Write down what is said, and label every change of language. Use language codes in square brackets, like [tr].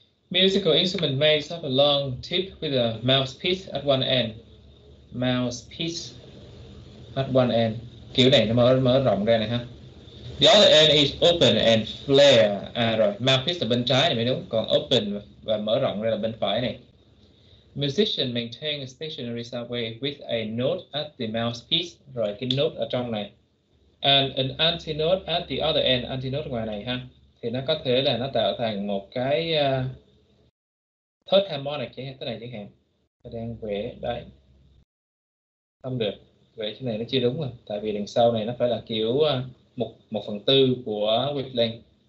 [en] Musical instrument may have a long tip with a mouthpiece at one end. Mouthpiece at one end. [vi] Kiểu này nó mở rộng ra này ha. [en] The other end is open and flare. [vi] À rồi, mouthpiece là bên trái này mới đúng. Còn open và mở rộng ra là bên phải này. [en] Musician maintain a stationary sound wave with a note at the mouthpiece. [vi] Rồi, cái note ở trong này. [en] And an antinode at the other end, [vi] antinode ngoài này ha, thì nó có thể là nó tạo thành một cái third harmonic chứ, cái này chẳng hạn. Nó đang vẽ đây. Không được, vẽ cái này nó chưa đúng rồi, tại vì đằng sau này nó phải là kiểu 1/4 của wavelength.